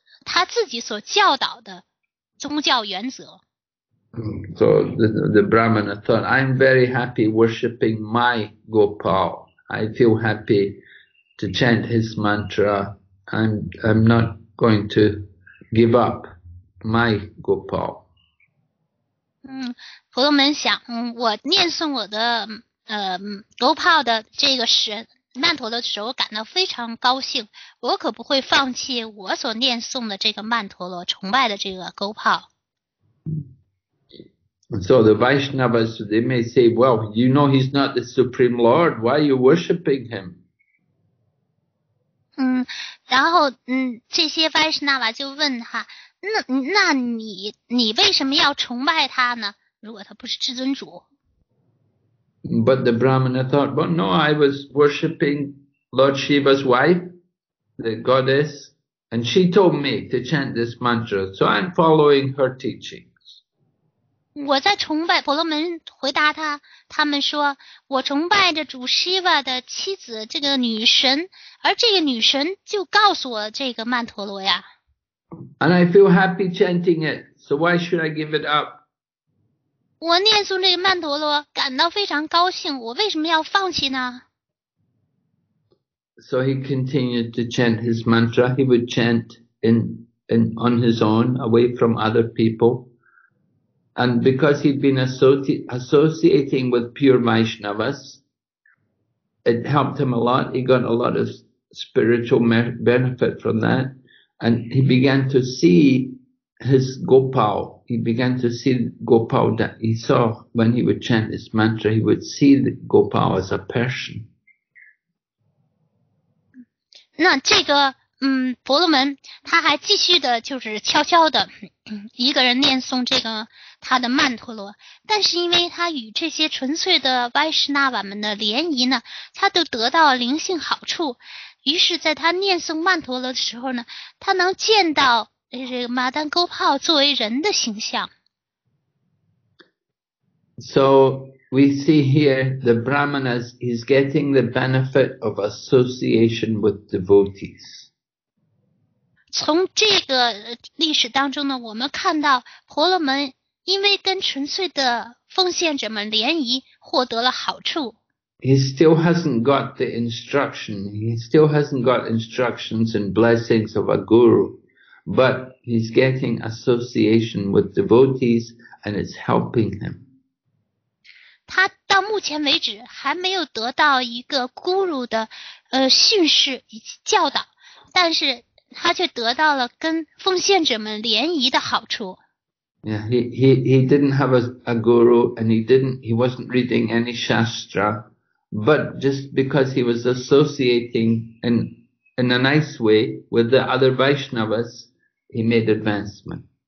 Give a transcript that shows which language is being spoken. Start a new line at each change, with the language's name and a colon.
Chinese: 他自己所教导的宗教原则。
English: So the Brahmana thought, I'm very happy worshipping my Gopal. I feel happy to chant his mantra. I'm not going to give up my Gopal.
Chinese: 婆罗门想，我念诵我的Gopal 的这个神。曼陀罗的时候感到非常高兴，我可不会放弃我所念诵的这个曼陀罗，崇拜的这个 Gopal。
English: So the Vaishnavas, they may say, well, you know he's not the Supreme Lord, why are you worshipping him?
Chinese: 然后这些 Vaishnava 就问他，那你为什么要崇拜他呢？如果他不是至尊主。
English: But the Brahmana thought, well, no, I was worshipping Lord Shiva's wife, the goddess, And she told me to chant this mantra, so I'm following her teachings.
Chinese: 我在崇拜婆罗门，回答他，他们说，我崇拜着主 Shiva 的妻子，这个女神，而这个女神就告诉我这个曼陀罗呀。
English: And I feel happy chanting it, so why should I give it up?
Chinese: 我念诵这个曼陀罗，感到非常高兴，我为什么要放弃呢？
English: So he continued to chant his mantra. He would chant in on his own, away from other people. And because he'd been associating with pure Vaishnavas, it helped him a lot. He got a lot of spiritual benefit from that. And he began to see his Gopal. He began to see Gopal that he saw when he would chant his mantra. He would see the Gopal as a person.
Chinese: 那这个婆罗门他还继续的就是悄悄的一个人念诵这个他的曼陀罗，但是因为他与这些纯粹的 Vaishnava 们的联谊呢，他都得到灵性好处，于是在他念诵曼陀罗的时候呢，他能见到这个马丹勾炮作为人的形象。
English: So we see here the brahmanas, he's getting the benefit of association with devotees.
Chinese: 从这个历史当中呢，我们看到婆罗门因为跟纯粹的奉献者们联谊获得了好处。
English: He still hasn't got the instruction. He still hasn't got instructions and blessings of a guru, but he's getting association with devotees and it's helping him.
Chinese: 他到目前为止还没有得到一个 guru 的训示以及教导，但是他却得到了跟奉献者们联谊的好处。
English: Yeah, he didn't have a guru and he wasn't reading any shastra, but just because he was associating in a nice way with the other Vaishnavas, he made advancement.